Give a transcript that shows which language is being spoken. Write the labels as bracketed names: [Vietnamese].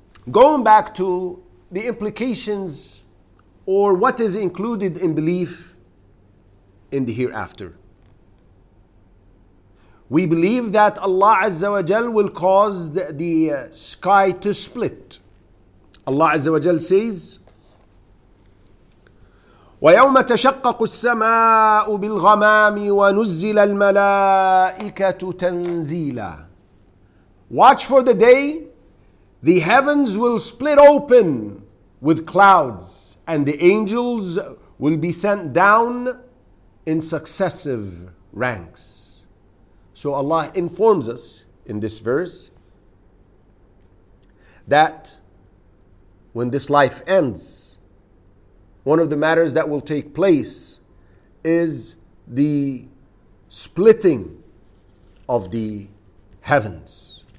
[English] Going back to the implications or what is included in belief in the hereafter. We believe that Allah Azza wa Jal will cause the sky to split. Allah Azza wa Jal says, [Arabic] وَيَوْمَ تَشَقَّقُ السَّمَاءُ بِالْغَمَامِ وَنُزِّلَ الْمَلَائِكَةُ تَنْزِيلًا. [English] Watch for the day the heavens will split open with clouds and the angels will be sent down in successive ranks. So Allah informs us in this verse that when this life ends, one of the matters that will take place is the splitting of the heavens.